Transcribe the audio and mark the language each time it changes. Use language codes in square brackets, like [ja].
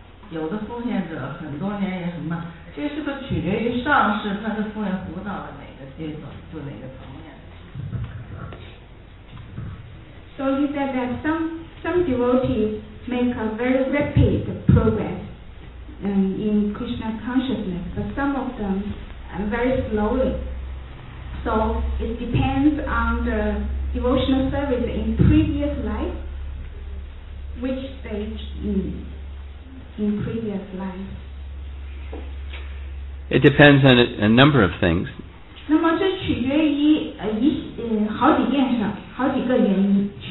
[zh] 有的奉献者很多年也很慢。这是不是取决于上师他是负责辅导的哪个阶段，就哪个层面。 [en] So he said that some devotees make a very rapid progress、in Krishna consciousness, but some of them、very slowly. So it depends on the devotional service in previous life, which stage in previous life. It depends on a number of things. [zh] 那么这取决于好几件事，好几个原因。